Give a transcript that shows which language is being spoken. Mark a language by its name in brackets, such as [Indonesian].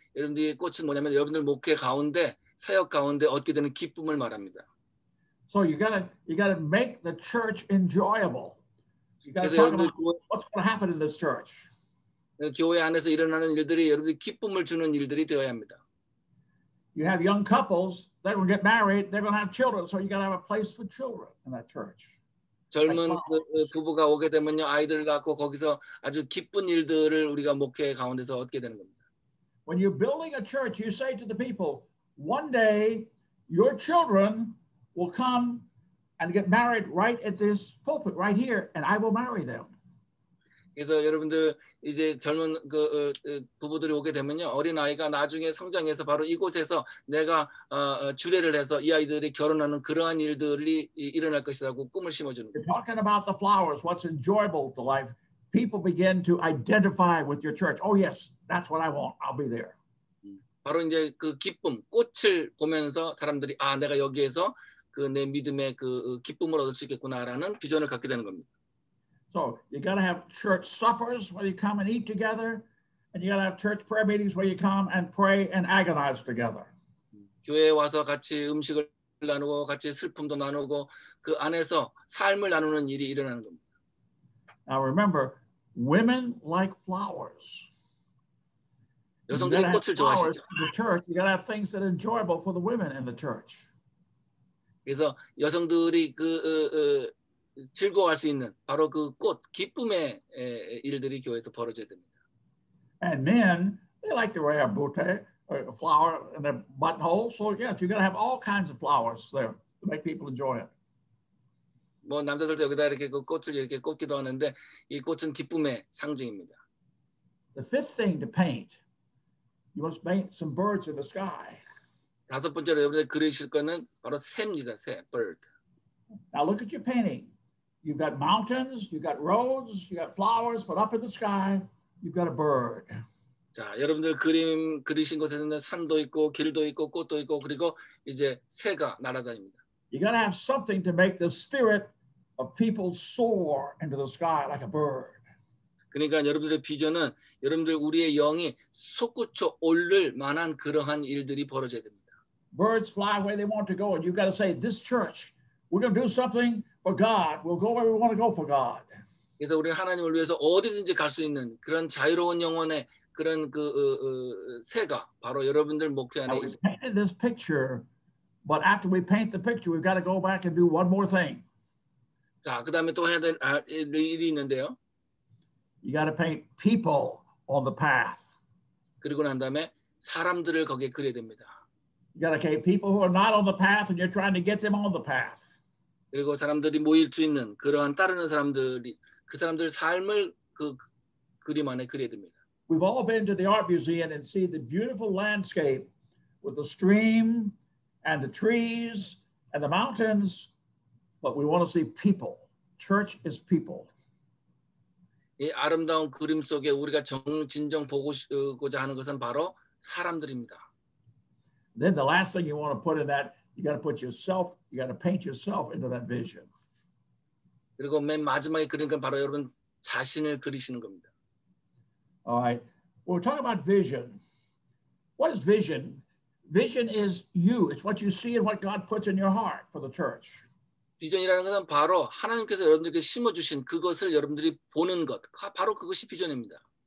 [Korean] 여러분들이 꽃은 뭐냐면 여러분들 목회 가운데 사역 가운데 얻게 되는 기쁨을 말합니다. [English] So you gotta make the church enjoyable. You gotta talk about [Korean] 교회, [English] what's gonna happen in this church. [Korean] 교회 안에서 일어나는 일들이 여러분들 기쁨을 주는 일들이 되어야 합니다. [English] You have young couples that will get married. They're gonna have children. So you gotta have a place for children in that church. [Korean] 젊은 부부가 오게 되면요 아이들을 낳고 거기서 아주 기쁜 일들을 우리가 목회 가운데서 얻게 되는 겁니다. [English] When you're building a church, you say to the people, one day your children will come and get married right at this pulpit right here and I will marry them. [Korean] 그래서 여러분들 이제 젊은 그 부부들이 오게 되면요. 어린 아이가 나중에 성장해서 바로 이곳에서 내가 주례를 해서 이 아이들이 결혼하는 그러한 일들이 일어날 것이라고 꿈을 심어 주는 거예요. [English] Talking about the flowers, what's enjoyable to life? People begin to identify with your church. Oh yes, that's what I want. I'll be there. [Korean] 바로 이제 그 기쁨, 꽃을 보면서 사람들이 아, 내가 여기에서 그 내 믿음의 그 기쁨을 얻을 수 있겠구나라는 비전을 갖게 되는 겁니다. [English] So you gotta have church suppers where you come and eat together, and you gotta have church prayer meetings where you come and pray and agonize together. [Korean] 교회에 와서 같이 음식을 나누고 같이 슬픔도 나누고 그 안에서 삶을 나누는 일이 일어나는 겁니다. [English] Now remember, women like flowers. [Korean] 여성들이 꽃을 좋아하시죠. [English] In the church, you gotta have things that are enjoyable for the women in the church. [Korean] 그래서 여성들이 그 즐거워할 수 있는 바로 그 꽃, 기쁨의 일들이 교회에서 벌어져야 됩니다. [English] And men, they like to wear a bouquet, a flower in their buttonhole. So yes, you gotta have all kinds of flowers there to make people enjoy it. [Korean] 뭐 남자들도 여기다 이렇게 그 꽃을 이렇게 꽂기도 하는데 이 꽃은 기쁨의 상징입니다. [English] The fifth thing to paint, you must paint some birds in the sky. [Korean] 다섯 번째로 여러분들 그리실 거는 바로 새입니다. 새, bird. [English] Now look at your painting. You've got mountains, you've got roads, you've got flowers, but up in the sky, you've got a bird. [Korean] 자, 여러분들 그림 그리신 곳에는 산도 있고 길도 있고 꽃도 있고 그리고 이제 새가 날아다닙니다. [English] You gotta have something to make the spirit of people soar into the sky like a bird. [Korean] 그러니까 여러분들의 비전은 여러분들 우리의 영이 솟구쳐 오를 만한 그러한 일들이 벌어져야 됩니다. [English] Birds fly where they want to go, and you got to say, "This church, we're going to do something for God. We'll go where we want to go for God." [Korean] 그래서 우리는 하나님을 위해서 어디든지 갈 수 있는 그런 자유로운 영혼의 그런 그 새가 바로 여러분들 목회 안에 있습니다. [English] We painted this picture, but after we paint the picture, we've got to go back and do one more thing. [Korean] 자, 그 다음에 또 해야 될 일이 있는데요. [English] You got to paint people on the path. [Korean] 그리고 난 다음에 사람들을 거기에 그려야 됩니다. [English] You got to keep people who are not on the path and you're trying to get them on the path. [Korean] 그리고 사람들이 모일 수 있는 그러한 따르는 사람들이 그 사람들 삶을 그 그림 안에 그려야 됩니다. [English] We've all been to the art museum and see the beautiful landscape with the stream and the trees and the mountains, but we want to see people. Church is people. [Korean] 이 아름다운 그림 속에 우리가 진정 보고자 하는 것은 바로 사람들입니다. [English] Then the last thing you want to put in that, you got to put yourself, you got to paint yourself into that vision. [Korean] 그리고 맨 마지막에 그린 건 바로 여러분 자신을 그리시는 겁니다. [English] All right. We're talking about vision. What is vision? Vision is you. It's what you see and what God puts in your heart for the church. [Korean] 비전이라는 것은 바로 하나님께서 여러분들에게 심어주신 그것을 여러분들이 보는 것. 바로 그것이 비전입니다.